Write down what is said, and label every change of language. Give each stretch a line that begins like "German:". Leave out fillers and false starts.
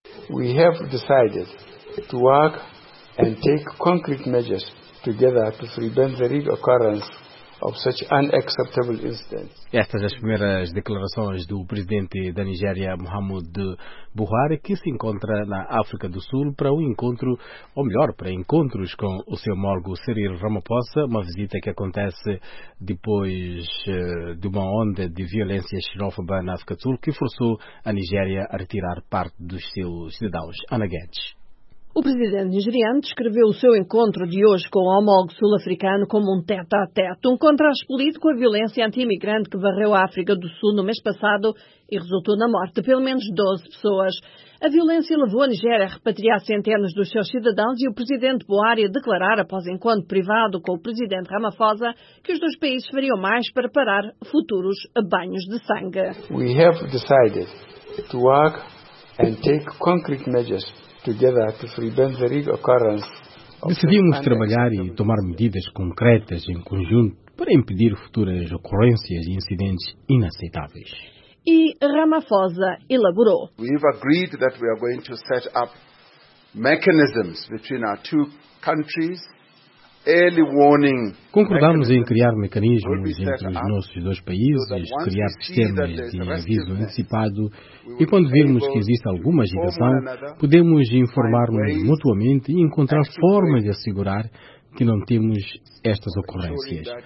English: We have decided to work and take concrete measures together to prevent the reoccurrence of such unacceptable incidents.
Portuguese: Estas as primeiras declarações do presidente da Nigéria, Muhammadu Buhari, que se encontra na África do Sul para um encontro, ou melhor, para encontros com o seu homólogo Cyril Ramaphosa, uma visita que acontece depois de uma onda de violência xenófoba na África do Sul que forçou a Nigéria a retirar parte dos seus cidadãos. Ana Guedes. O presidente nigeriano descreveu o seu encontro de hoje com o homólogo sul-africano como um tete-a-tete, um contraste político à violência anti-imigrante que varreu a África do Sul no mês passado e resultou na morte de pelo menos 12 pessoas. A violência levou a Nigéria a repatriar centenas dos seus cidadãos e o presidente Buhari a declarar, após encontro privado com o presidente Ramaphosa, que os dois países fariam mais para parar futuros banhos de sangue.
English: We have decided to work and take concrete measures.
Portuguese: Decidimos trabalhar e tomar medidas concretas em conjunto para impedir futuras ocorrências e incidentes inaceitáveis. E Ramaphosa elaborou.
English: We've agreed that we are going to set up mechanisms between our two countries.
Portuguese: Concordamos em criar mecanismos entre os nossos dois países, criar sistemas de aviso antecipado e quando virmos que existe alguma agitação, podemos informar-nos mutuamente e encontrar formas de assegurar que não temos estas ocorrências.